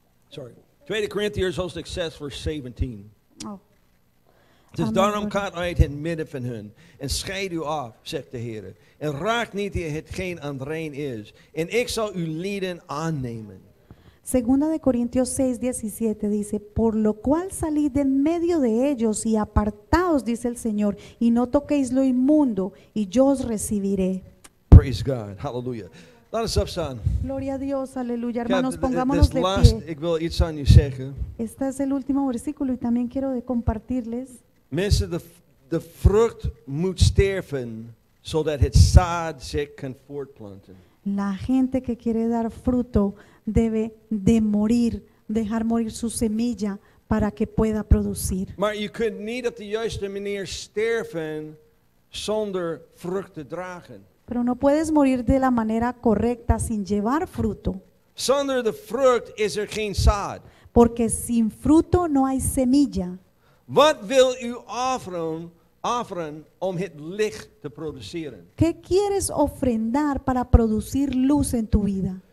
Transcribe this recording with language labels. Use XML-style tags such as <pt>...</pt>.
<nl>Sorry. 2 Corinthians hoofdstuk 6 vers 17. Het is daarom gaat uit het midden van hun en scheid u af, zegt de Heer. En raak niet hetgeen aan het rein is. En ik zal uw lieden aannemen.</nl> <es>2 de Corintios 6, 17 dice, por lo cual salid de en medio de ellos y apartaos, dice el Señor, y no toquéis lo inmundo, y yo os recibiré.</es> <en>Praise God,</en> <nl>hallelujah. Laat ons opstaan.</nl> <es>Gloria a Dios, aleluya, hermanos, pongámonos de last, pie.</es> <nl>Ik wil iets aan u zeggen.</nl> <es>Este es el último versículo y también quiero de compartirles.</es> <nl>Mensen, de vrucht moet sterven, zodat het zaad zich kan voortplanten.</nl> <es>La gente que quiere dar fruto debe de morir, dejar morir su semilla para que pueda producir.</es> <nl>Maar je kunt niet op de juiste manier sterven zonder vrucht te dragen.</nl> <es>Pero no puedes morir de la manera correcta sin llevar fruto.</es> <nl>Zonder de vrucht is er geen zaad.</nl> <es>Porque sin fruto no hay semilla.</es> <nl>Wat wil u offeren? Offeren om het licht te produceren.</nl> <es>¿Qué quieres ofrendar para producir luz en tu vida?</es>